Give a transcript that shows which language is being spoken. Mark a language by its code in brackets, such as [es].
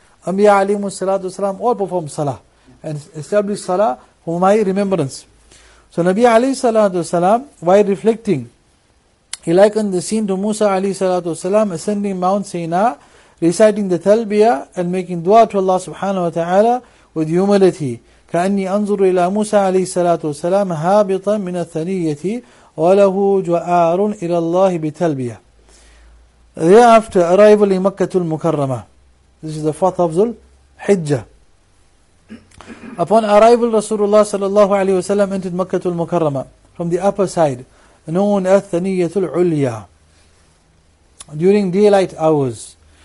[ar] أَمْيَا عَلِيمُ الصَّلَاةُ وَسَلَامُ. [en] All perform salah. And establish salah for my remembrance. So Nabi alayhi salatu wasalam, while reflecting, He likened the scene to Musa alayhi salatu wasalam ascending Mount Sina, reciting the Talbiyah and making dua to Allah subhanahu wa ta'ala with humility. [ar] كأني أنظر إلى موسى عليه الصلاة والسلام هابطا من الثنية وله جوار إلى الله بتلبية. [en] Thereafter, arrival in Makkah al-Mukarrama. This is the fourth of Dhul Hijjah. Upon arrival, Rasulullah صلى الله عليه وسلم entered Makkah al-Mukarrama from the upper side, known as الثنية العليا, during daylight hours.